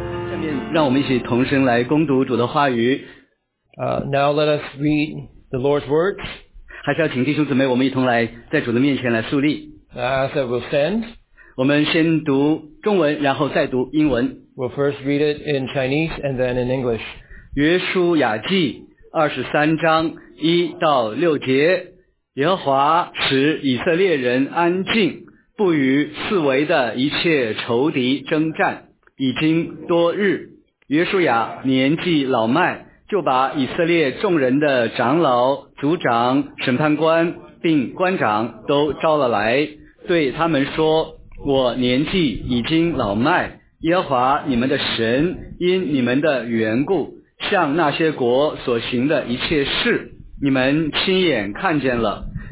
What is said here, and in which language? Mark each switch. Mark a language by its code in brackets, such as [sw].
[zh] 下面让我们一起同声来攻读主的话语。 [en] Now let us read the Lord's words. [zh] 还是要请弟兄姊妹，我们一同来在主的面前来肃立。 [en] As I will stand. [zh] 我们先读中文，然后再读英文。 [en] We'll first read it in Chinese and then in English. [zh] 约书亚记二十三章一到六节，耶和华使以色列人安静，不与四围的一切仇敌征战，已经多日。约书亚年纪老迈，就把以色列众人的长老、族长、审判官并官长都召了来，对他们说：我年纪已经老迈，耶和华你们的神因你们的缘故向那些国所行的一切事，你们亲眼看见了。